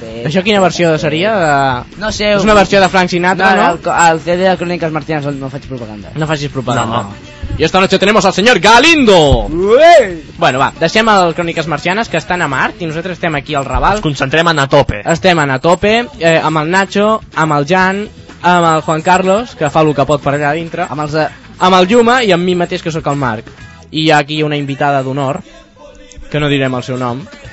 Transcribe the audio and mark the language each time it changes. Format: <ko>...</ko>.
<ca>Això quina versió seria? No sé. És una versió de Frank Sinatra, no? No, al CD de Cròniques Martianes no faig propaganda. No facis propaganda. No.</ca> <es>I esta noche tenemos al señor Galindo.</es> <ca>Bueno, va, deixem el Cròniques Marcianes, que estan a Mart, i nosaltres estem aquí al Raval. Ens concentrem en a tope. Estem en a tope, amb el Nacho, amb el Jan... Amb el Juan Carlos, que fa el que pot per allà dintre. Amb el Juma i amb mi mateix, que sóc el Marc. I hi ha aquí una invitada d'honor, que no direm el seu nom.</ca>